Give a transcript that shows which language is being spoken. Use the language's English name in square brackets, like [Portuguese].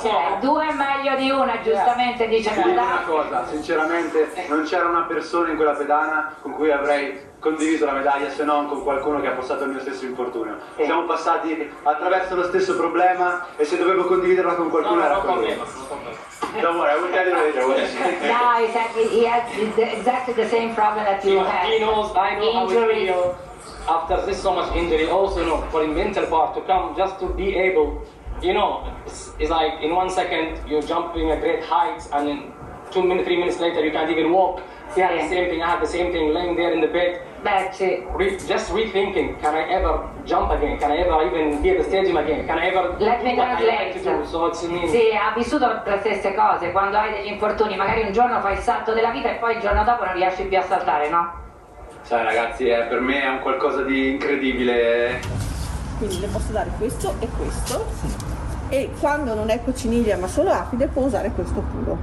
[Italian] So, due è meglio di una, giustamente, yeah. Dice Motaz. Una cosa, sinceramente, non c'era una persona in quella pedana con cui avrei condiviso la medaglia se non con qualcuno che ha passato il mio stesso infortunio. Siamo passati attraverso lo stesso problema e se dovevo condividerla con qualcuno no, era con me. [English] Don't worry, I will tell you later. No, exactly. He has exactly the same problem that you have. He knows, I know injuries. How it feels after this so much injury, also, you know, for the mental part to come just to be able, you know, it's like in 1 second you're jumping a great height and then 2 minutes, 3 minutes later you can't even walk. He had the same thing, I had the same thing laying there in the bed. Just rethinking, can I ever jump again? Can I ever even be at the stadium again? Can I ever... Let me translate. [Italian] Sì, ha vissuto le stesse cose. Quando hai degli infortuni, magari un giorno fai il salto della vita e poi il giorno dopo non riesci più a saltare, no? Sai ragazzi, per me è un qualcosa di incredibile. Quindi le posso dare questo e questo. E quando non è cocciniglia ma solo acide, può usare questo puro.